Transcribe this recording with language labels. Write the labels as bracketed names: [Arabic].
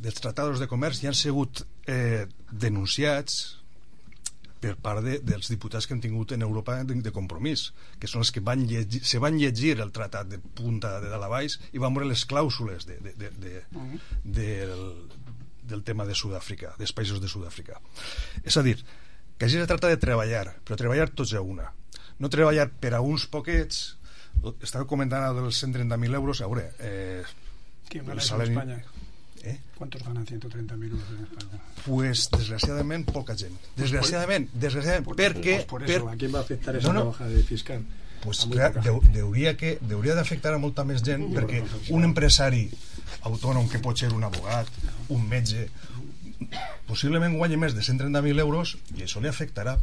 [Catalan] Dels tractats de comerç ja han sigut denunciats per part dels diputats que han tingut en Europa de Compromís, que són els que van llegir el tractat de punta de dalt a baix i van veure les clàusules del tema de Sud-àfrica, dels països de Sud-àfrica. És a dir, que així es tracta de treballar, però treballar tots a una. No treballar per a uns poquets. Estava comentant dels 130.000 euros, a veure... Quin mereix en Espanya? [Spanish] ¿Cuántos ganan 130.000 euros en España? [Catalan] Pues desgraciadament poca gent. Desgraciadament, perquè per a qui va afectar aquesta bajada de fiscal? Pues clar, hauria d'afectar a molta més gent, perquè un empresari autònom, que pot ser un abogat, un metge, possiblement guanyi més de 130.000 euros i això li afectarà.